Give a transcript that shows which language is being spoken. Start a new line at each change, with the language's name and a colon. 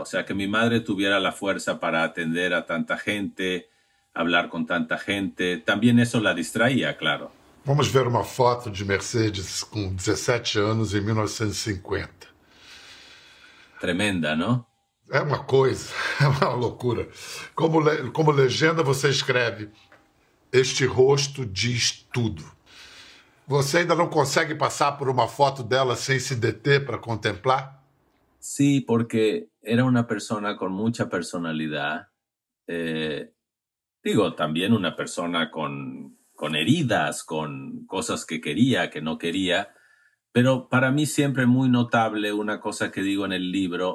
Spanish: O sea, que mi madre tuviera la fuerza para atender a tanta gente, hablar con tanta gente, también eso la distraía, claro. Vamos ver una foto de Mercedes con 17 años en 1950. Tremenda, ¿no? Es una cosa, es una locura.
Portuguese: Como legenda, você escreve: este rosto diz tudo. Você ainda não consegue passar por uma foto dela sem se deter para contemplar?
Spanish: Sí, porque era una persona con mucha personalidad. Digo, también una persona con heridas, con cosas que quería, que no quería. Pero para mí siempre muy notable una cosa que digo en el libro.